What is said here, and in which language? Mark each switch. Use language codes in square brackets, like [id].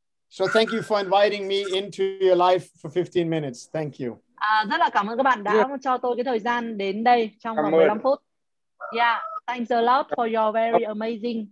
[en] So thank you for inviting me into your life for 15 minutes. Thank you. [vi] Rất là cảm ơn các bạn đã cho tôi cái thời gian đến đây trong vòng 15 phút. [en] Yeah, thanks a lot for your very amazing.